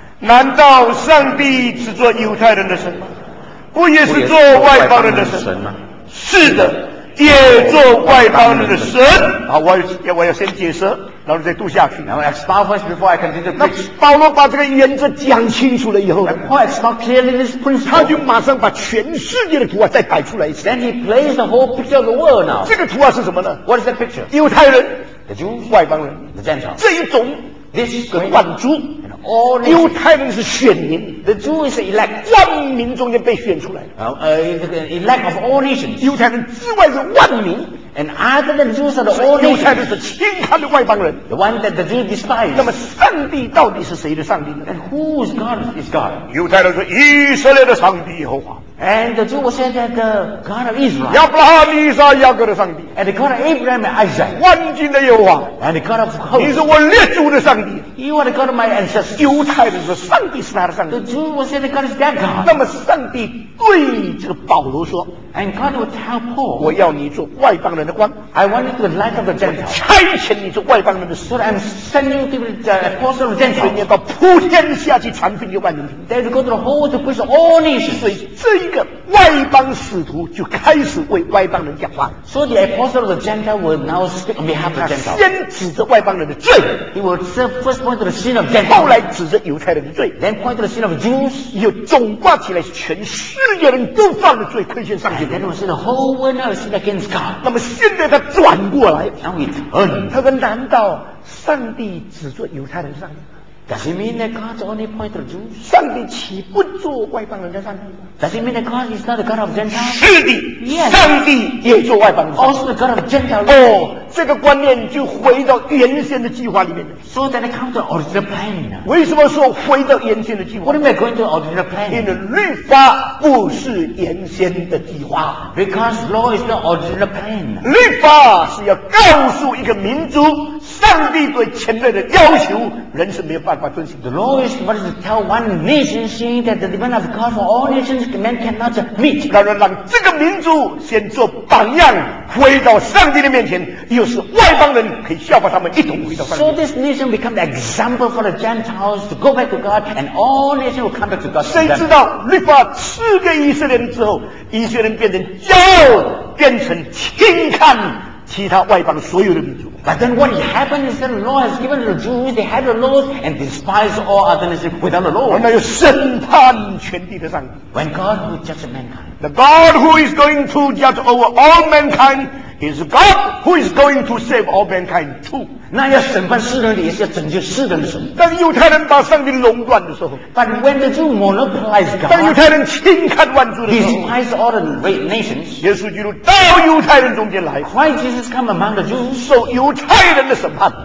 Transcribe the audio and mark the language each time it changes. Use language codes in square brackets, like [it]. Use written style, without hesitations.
[zh] 难道上帝只做犹太人的神吗？不也是做外邦人的神吗？是的，也做外邦人的神。好，我要先解释，然后再读下去。 [en] Now, I start first before I continue. [zh] 那保罗把这个原则讲清楚了以后， [en] I start clearly this principle. [zh] 他就马上把全世界的图画再摆出来一次。 [en] Then he plays the whole picture of the world now. [zh] 这个图画是什么呢？ [en] What is the picture? [zh] 犹太人， [en] the Jews, [zh] 外邦人， [en] the Gentiles. [zh] 这一种， [en] this [zh] 跟万族。犹太人是选民， [en] the Jews are elect， [zh] 万民中间被选出来的。 [en] Elect of all nations， [zh] 犹太人之外是万民。 [en] And other than Jews are the all nations， [zh] 犹太人是轻看的外邦人。 [en] The one that the Jews despise。 [zh] 那么上帝到底是谁的上帝呢？ [en] And who is God? Is God？ [zh] 犹太人说以色列的上帝耶和华。 [en] And the Jews said that the God of Israel。 [zh] 亚伯拉罕、以撒、雅各的上帝。 [en] And the God of Abraham and Isaac。 [zh] 万军的耶和华。 [en] And the God of hosts。 [zh] 你是我列祖的上帝。 [en] You are the God of my ancestors。 [zh] 犹太人说上帝是他的上帝。 [en] The Jews said that God is their God。 [zh] 那么上帝对这个保罗说。 [en] And God will tell Paul。 [zh] 我要你做外邦人的光。 [en] I want you to the light of the Gentiles。 [zh] 差遣你做外邦人的使徒。 [en] I'm sending you to the apostle of the Gentiles。 [zh] 你要到普天下去传福音给万民听。 [en] That you go to the whole world preach all nations。 [zh] 所以这一个外邦使徒就开始为外邦人讲话。 [en] So the apostle of the Gentiles will now speak on behalf of the Gentiles。 [zh] 先指着外邦人的罪。 [en] He will serve first point to the sin of Gentiles。 [zh] 后来指着犹太人的罪。 [en] Then point to the sin of Jews。 [zh] 又总挂起来全世界人都犯了罪，亏欠上帝。 [en] Then we see the whole world is against God. [zh] 那么现在他转过来， [en] Now he turned. [zh] 他说难道上帝只做犹太人的上帝？ [en] Does he mean that God's only point to Jews? [zh] 上帝岂不做外邦人的上帝？ [en] Does he mean that God is not the God of Gentiles? [zh] 是的， [en] yes. [zh] 上帝也做外邦人的上帝。 [en] Also the God of Gentiles. [zh] 哦，这个观念就回到原先的计划里面了。 [en] So that it comes to the original plan. [zh] 为什么说回到原先的计划？ [en] What do you mean going to the original plan? [zh] 因为律法不是原先的计划。 [en] Because law is the original plan. [zh] 律法是要告诉一个民族，上帝对前面的要求，人是没有办法遵循。 [en] The law is what is to tell one nation saying that the demand of God for all nations men cannot meet. [zh] 那就让这个民族先做榜样，回到上帝的面前。又是外邦人可以效仿他们一同回到上帝。 [en] So this nation become the example for the Gentiles to go back to God, and all nations will come back to God. [zh] 谁知道律法赐给以色列人之后，以色列人变成骄傲，变成轻看其他外邦所有的民族。 [en] But then what happened is that the law has given to the Jews, they had the laws and despised all other nations without the law. [zh] 那就审判全地的上帝。 [en] When God will judge mankind, the God who is going to judge over all mankind. Is God who is going to save all mankind too? [zh] 那要审判世人的，也是要拯救世人的神。当犹太人把上帝垄断的时候， [en] But when the Jew monopolized God, [zh] 当犹太人轻看万族的时候， [en] Despise all the great nations, [zh] 耶稣基督到犹太人中间来， [en] Christ Jesus come among the Jews, [zh] 受犹太人的审判，